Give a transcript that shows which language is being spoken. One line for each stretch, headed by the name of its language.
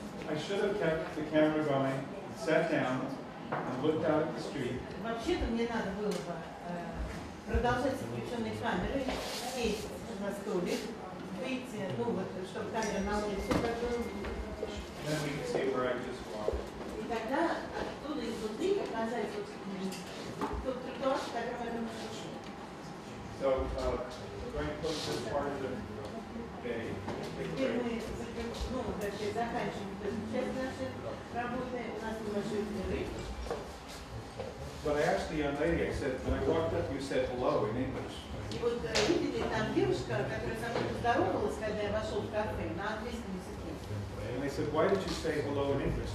English: I should have kept the camera going, sat down, and looked out at the street.
Russian: Вообще-то мне надо было бы продолжать с включенной камерой, сесть на столик, выйти, ну вот, чтобы камера на улице показала. И тогда оттуда изнутри показать вот тот тротуар, с которым я думаю, что шел.
English: So, we're going to close this part of the day.
Russian: Теперь мы, ну, вообще, заканчиваем часть нашей работы, у нас небольшой перерыв.
English: But I asked the young lady, I said, when I walked up, you said hello in English. And I said, why did you say hello in English?